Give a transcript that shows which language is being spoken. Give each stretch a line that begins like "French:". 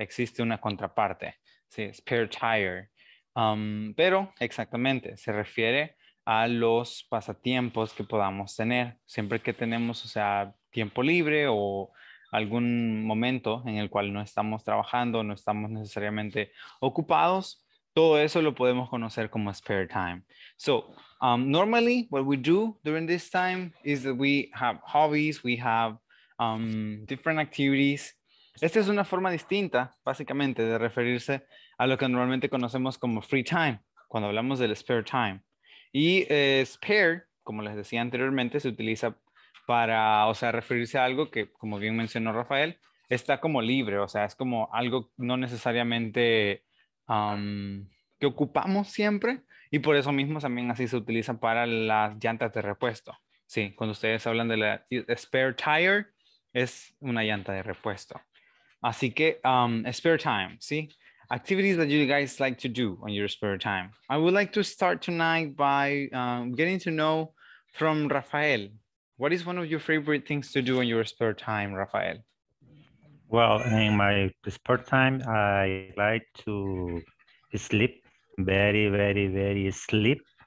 Spanish: Existe una contraparte, sí, spare tire. Pero exactamente, se refiere a los pasatiempos que podamos tener. Siempre que tenemos, o sea, tiempo libre o algún momento en el cual no estamos trabajando, no estamos necesariamente ocupados, todo eso lo podemos conocer como spare time.
English: So, normally, what we do during this time is that we have hobbies, we have different activities.
Spanish: Esta es una forma distinta, básicamente, de referirse a lo que normalmente conocemos como free time, cuando hablamos del spare time. Y spare, como les decía anteriormente, se utiliza para, o sea, referirse a algo que, como bien mencionó Rafael, está como libre, o sea, es como algo no necesariamente que ocupamos siempre, y por eso mismo también así se utiliza para las llantas de repuesto. Sí, cuando ustedes hablan de la spare tire, es una llanta de repuesto. Así que, spare time, sí.
English: Activities that you guys like to do on your spare time. I would like to start tonight by getting to know from Rafael. What is one of your favorite things to do on your spare time, Rafael? Well, in my spare time, I like to sleep, very, very, very sleep.